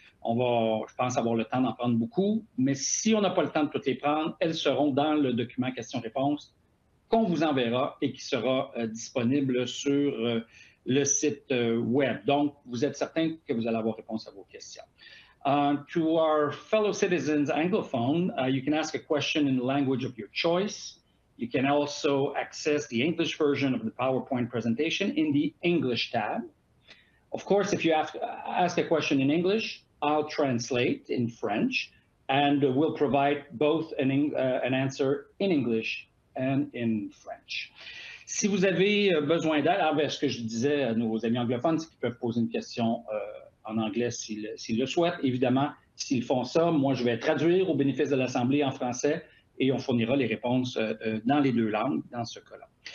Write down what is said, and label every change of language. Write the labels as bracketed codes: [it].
[fr] Je pense avoir le temps d'en prendre beaucoup, mais si on n'a pas le temps de toutes les prendre, elles seront dans le document questions-réponses qu'on vous enverra et qui sera disponible sur le site web. Donc, vous êtes certain que vous allez avoir réponse à vos questions. [en] To our fellow citizens anglophones, you can ask a question in the language of your choice. You can also access the English version of the PowerPoint presentation in the English tab. Of course, if you ask a question in English, I'll translate in French and we'll provide both an answer in English and in French. [fr] Si vous avez besoin d'aide, ah, ben, ce que je disais à nos amis anglophones, c'est qu'ils peuvent poser une question en anglais s'ils le souhaitent. Évidemment, s'ils font ça, moi, je vais traduire au bénéfice de l'Assemblée en français et on fournira les réponses dans les deux langues dans ce cas-là.